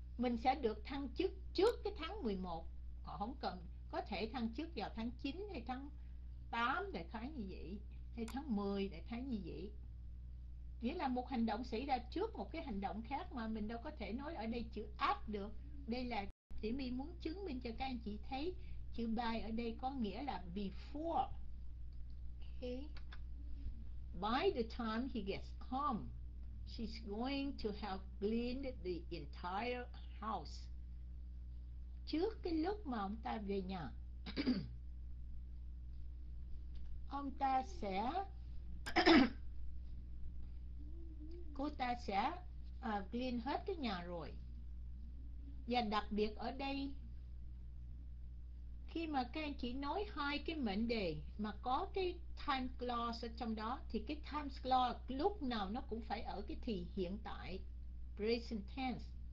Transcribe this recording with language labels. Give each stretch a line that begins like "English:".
Vietnamese: Mình sẽ được thăng chức trước cái tháng 11. Họ không cần, có thể thăng chức vào tháng 9 hay tháng 8 đại khái như vậy, hay tháng 10 đại khái như vậy. Nghĩa là một hành động xảy ra trước một cái hành động khác, mà mình đâu có thể nói ở đây chữ áp được. Đây là Tiểu My muốn chứng minh cho các anh chị thấy chữ by ở đây có nghĩa là before.
English: Okay. By the time he gets home, she's going to have cleaned the entire house.
Vietnamese: Trước cái lúc mà ông ta về nhà, ông ta sẽ cô ta sẽ clean hết cái nhà rồi. Và đặc biệt ở đây, khi mà các anh chị nói hai cái mệnh đề mà có cái time clause ở trong đó, thì cái time clause lúc nào nó cũng phải ở cái thì hiện tại, present tense.